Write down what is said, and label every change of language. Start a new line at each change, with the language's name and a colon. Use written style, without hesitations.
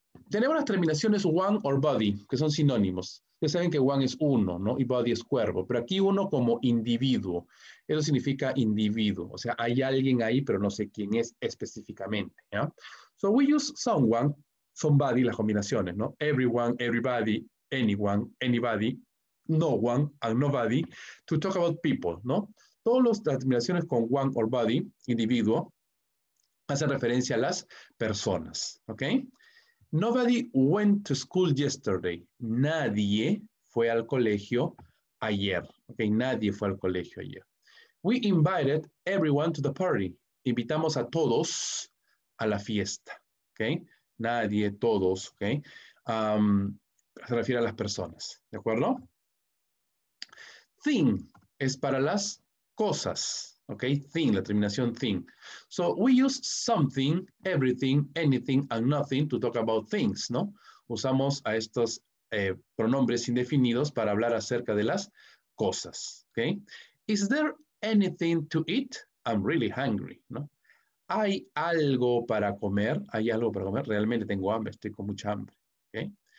Spanish: Tenemos las terminaciones one or body, que son sinónimos. Ustedes saben que one es uno, ¿no? Y body es cuervo. Pero aquí uno como individuo. Eso significa individuo. O sea, hay alguien ahí, pero no sé quién es específicamente.
English: ¿Ya? So we use someone. Somebody,
Spanish: las combinaciones,
English: ¿no? Everyone, everybody, anyone, anybody, no one, and nobody, to talk about people, ¿no?
Spanish: Todas las terminaciones con one or body, individuo, hacen referencia a las personas, ¿ok?
English: Nobody went to school yesterday.
Spanish: Nadie fue al colegio ayer, ¿ok? Nadie fue al colegio ayer.
English: We invited everyone to the party.
Spanish: Invitamos a todos a la fiesta, ¿ok? Nadie, todos, ¿ok? Se refiere a las personas, ¿de acuerdo? Thing es para las cosas, ¿ok? Thing, la terminación thing.
English: So, we use something, everything, anything, and nothing to talk about things, ¿no?
Spanish: Usamos a estos pronombres indefinidos para hablar acerca de las cosas, ¿ok?
English: Is there anything to eat? I'm really hungry, ¿no?
Spanish: ¿Hay algo para comer? ¿Hay algo para comer? Realmente tengo hambre. Estoy con mucha hambre. ¿Okay?